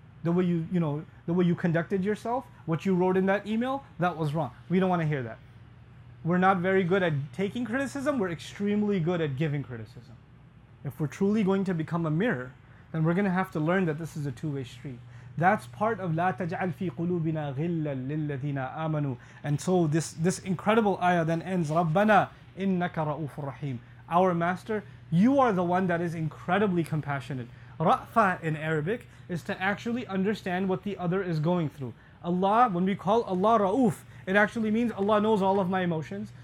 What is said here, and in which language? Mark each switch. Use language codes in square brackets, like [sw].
[en] The way you conducted yourself, what you wrote in that email, that was wrong. We don't want to hear that. We're not very good at taking criticism, we're extremely good at giving criticism. If we're truly going to become a mirror, then we're going to have to learn that this is a two-way street. That's part of [ar] لَا تَجْعَلْ فِي قُلُوبِنَا غِلًّا لِلَّذِينَ آمَنُوا. [en] And so this incredible ayah then ends, [ar] رَبَّنَا إِنَّكَ رَؤُوفٌ رَحِيمٌ. [en] Our Master, you are the one that is incredibly compassionate. Ra'fa in Arabic is to actually understand what the other is going through. Allah, when we call Allah Ra'uf, it actually means Allah knows all of my emotions.